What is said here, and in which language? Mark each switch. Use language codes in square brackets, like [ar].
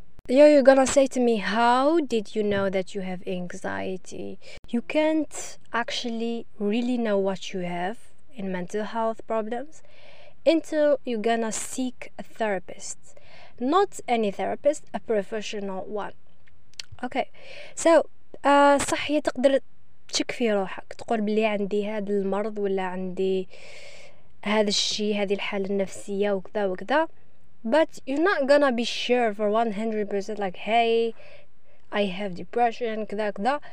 [en] You're gonna say to me, how did you know that you have anxiety? You can't actually really know what you have in mental health problems until you're gonna seek a therapist. Not any therapist, a professional one. [ar] Okay, so صح هي تقدر تشك في روحك تقول بلي عندي هذا المرض ولا عندي هذا الشيء هذه الحالة النفسية وكذا وكذا. [en] But you're not gonna be sure for 100% like, hey, I have depression, [ar] كذا كذا.